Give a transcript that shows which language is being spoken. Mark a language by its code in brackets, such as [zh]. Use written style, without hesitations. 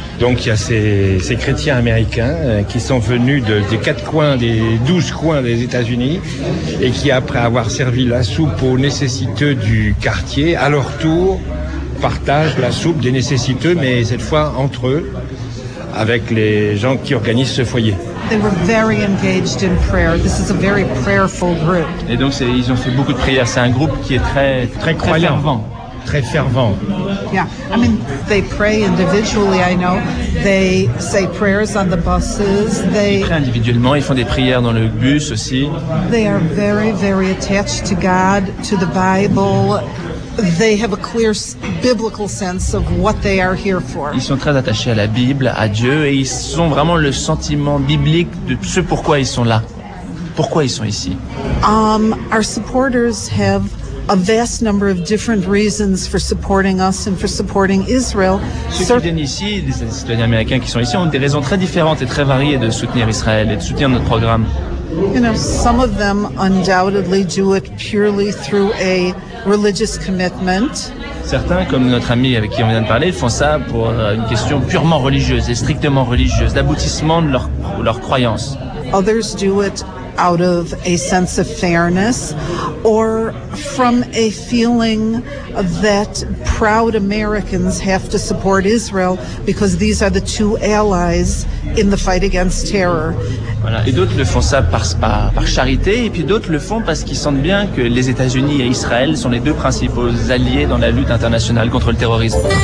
[fr] Donc il y a ces chrétiens américains qui sont venus des quatre coins, des 12 coins des États-Unis, et qui, après avoir servi la soupe aux nécessiteux du quartier, à leur tour partagent la soupe des nécessiteux, mais cette fois entre eux, avec les gens qui organisent ce foyer. [en] They were very engaged in prayer. This is a very prayerful group. [fr] Et donc ils ont fait beaucoup de prières. C'est un groupe qui est très très croyant. Très très fervent. [en] Yeah, I mean, they pray individually, I know. They say prayers on the buses. They [fr] prient individuellement, ils font des prières dans le bus aussi. [en] They are very, very attached to God, to the Bible. They have a clear biblical sense of what they are here for. [fr] Ils sont très attachés à la Bible, à Dieu, et ils ont vraiment le sentiment biblique de ce pourquoi ils sont là. Pourquoi ils sont ici? [en] Our supporters have a vast number of different reasons for supporting us and for supporting Israel. [fr] Ceux qui viennent ici, les citoyens américains qui sont ici, ont des raisons très différentes et très variées de soutenir Israël et de soutenir notre programme. [en] You know, some of them undoubtedly do it purely through a religious commitment. [fr] Certains, comme notre ami avec qui on vient de parler, font ça pour une question purement religieuse et strictement religieuse, d'aboutissement de leur croyance. [en] Others do it out of a sense of fairness or from a feeling that proud Americans have to support Israel because these are the two allies in the fight against terror. [fr] Voilà. Et d'autres le font ça par charité, et puis d'autres le font parce qu'ils sentent bien que les États-Unis et Israël sont les deux principaux alliés dans la lutte internationale contre le terrorisme.